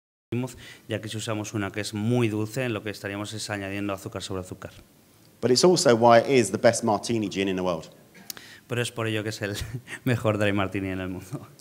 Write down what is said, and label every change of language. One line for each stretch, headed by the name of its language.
Spanish: Playmouth, ya que si usamos una que es muy dulce, lo que estaríamos es añadiendo azúcar sobre azúcar.
English: But it's also why it is the best martini gin in the world.
Spanish: Pero es por ello que es el mejor dry martini en el mundo.